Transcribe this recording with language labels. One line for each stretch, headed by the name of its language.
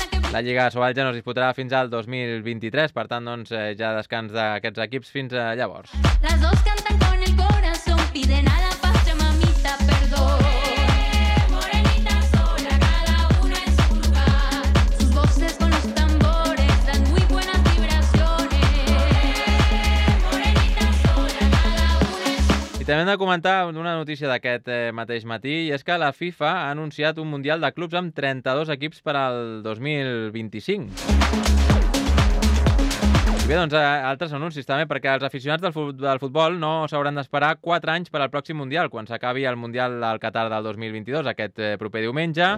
Catalan: La Lliga Sobal ja no es disputarà fins al 2023, per tant, doncs, ja descans d'aquests equips fins a llavors.
Spanish: Las dos cantan con el corazón, piden a la pacha, mamita, perdón. Morenita sola, cada una en su lugar. Sus voces con los tambores dan muy buenas vibraciones. Morenita sola, cada una en su lugar.
Catalan: I també hem de comentar una notícia d'aquest mateix matí, i és que la FIFA ha anunciat un Mundial de Clubs amb 32 equips per al 2025. Bé, doncs altres anuncis també, perquè els aficionats del futbol no s'hauran d'esperar 4 anys per al pròxim Mundial, quan s'acabi el Mundial del Qatar del 2022, aquest proper diumenge.